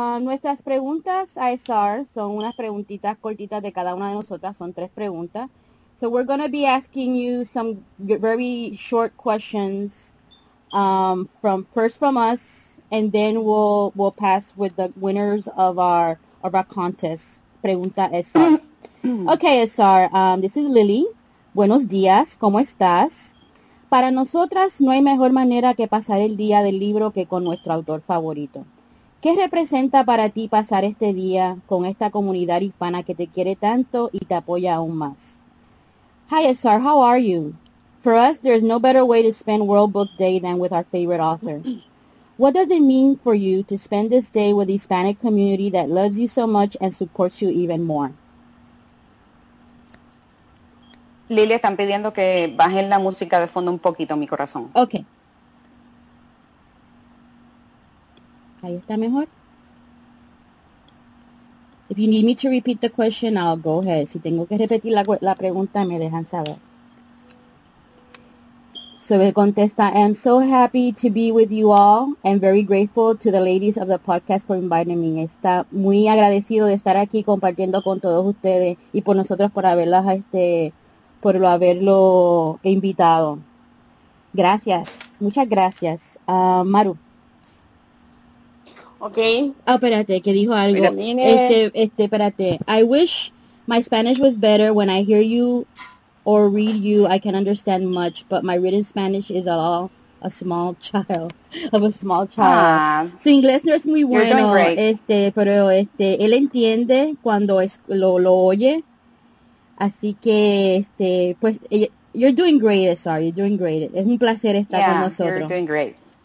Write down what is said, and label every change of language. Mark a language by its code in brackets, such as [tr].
[es] Nuestras preguntas a SR son unas preguntitas cortitas de cada una de nosotras, son tres preguntas. [en] So, we're going to be asking you some very short questions from us, and then we'll pass with the winners of our contest. [es] Pregunta SR. [en] Okay, SR, this is Lily. [es] Buenos días, ¿cómo estás? Para nosotras no hay mejor manera que pasar el día del libro que con nuestro autor favorito. ¿Qué representa para ti pasar este día con esta comunidad hispana que te quiere tanto y te apoya aún más? [en] Hi, SR, how are you? For us, there's no better way to spend World Book Day than with our favorite author. What does it mean for you to spend this day with the Hispanic community that loves you so much and supports you even more? [es] Lilia, están pidiendo que bajen la música de fondo un poquito, mi corazón. [en] Ok. [es] ¿Ahí está mejor? [en] If you need me to repeat the question, I'll go ahead. [es] Si tengo que repetir la pregunta, me dejan saber. [en] So, [es] me contesta, [en] I am so happy to be with you all and very grateful to the ladies of the podcast for inviting me. [es] Está muy agradecido de estar aquí compartiendo con todos ustedes y por nosotros por haberlas por lo haberlo invitado. Gracias. Muchas gracias. Maru. [en] Okay. Oh, [es] espérate, que dijo algo. Espérate. [en] I wish my Spanish was better. When I hear you or read you, I can understand much, but my written Spanish is at all a small child, of a small child. [es] Su inglés no es muy bueno, pero él entiende cuando lo oye. Así que, pues, [en] you're doing great, sorry, you're doing great. [es] Es un placer estar con nosotros. [en] Yeah, you're doing great.